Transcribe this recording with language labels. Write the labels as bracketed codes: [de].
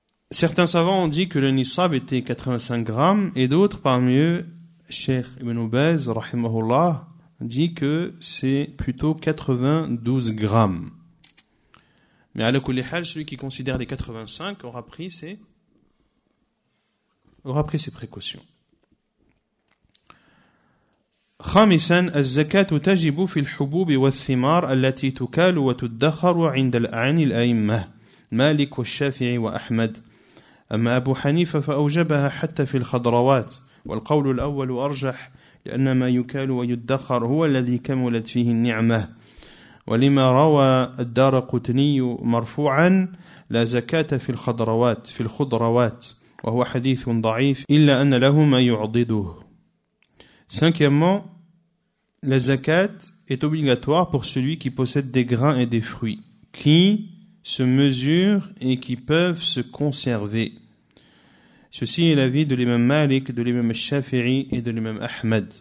[fr] Certains savants ont dit que le nisab était 85 grammes, et d'autres, parmi eux, Cheikh Ibn Ubaiz, rahimahullah, dit que c'est plutôt 92 grammes. Mais à la Kulihal, celui qui considère les 85 aura pris ses précautions. [ar] خامساً الزكاة تجب في الحبوب والثمار التي تكال وتدخر عند العين الأئمة مالك والشافعي وأحمد. أما أبو حنيفة فأوجبها حتى في الخضروات، والقول الأول أرجح، لأن ما يكال ويدخر هو الذي كملت فيه النعمة. ولما روى الدارقطني مرفوعا لا زكاة في الخضروات، وهو حديث ضعيف إلا أن له ما يعضده. [fr] Cinquièmement, la zakat est obligatoire pour celui qui possède des grains et des fruits qui se mesurent et qui peuvent se conserver. Ceci est l'avis de l'imam Malik, de l'imam Shafi'i et de l'imam Ahmed.